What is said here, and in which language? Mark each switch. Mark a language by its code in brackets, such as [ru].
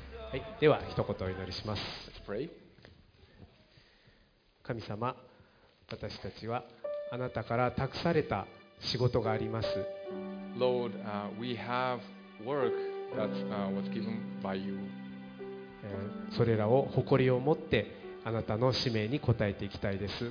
[ja] はい、では一言お祈りします。 [en] Let's pray. [ja] 神様、私たちはあなたから託された仕事があります。 [en] Lord, we haveWork that was given by you. [ja] それらを誇りを持ってあなたの使命に応えていきたいです。